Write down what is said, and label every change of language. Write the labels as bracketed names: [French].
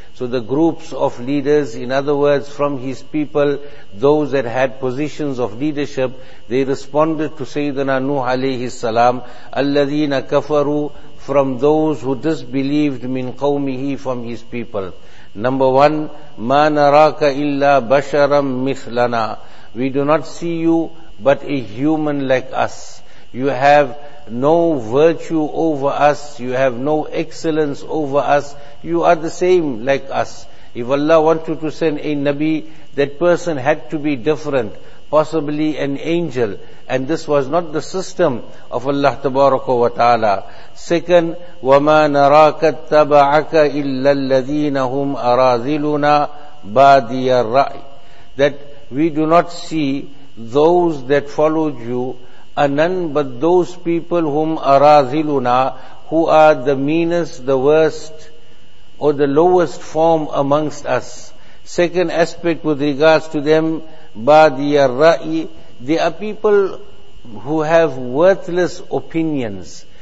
[English] So the groups of leaders, in other words, from his people, those that had positions of leadership, they responded to Sayyidina Nuh alayhi salam, [Arabic] أَلَّذِينَ كَفَرُوا. [English] From those who disbelieved min qawmihi, from his people. Number one, [Arabic] مَا نَرَاكَ إِلَّا بَشَرًا مِثْلَنَا. [English] We do not see you but a human like us. You have no virtue over us. You have no excellence over us. You are the same like us. If Allah wanted to send a Nabi, that person had to be different, possibly an angel. And this was not the system of Allah Tabaraka wa Ta'ala. [Arabic] Second, وَمَا نَرَاكَ اتَّبَعَكَ إِلَّا الَّذِينَ هُمْ أَرَاذِلُنَا بَادِيَ الرَّأِ. [English] That we do not see those that followed you are none but those people whom araziluna, who are the meanest, the worst, or the lowest form amongst us. Second aspect with regards to them, badiya ra'i, they are people who have worthless opinions.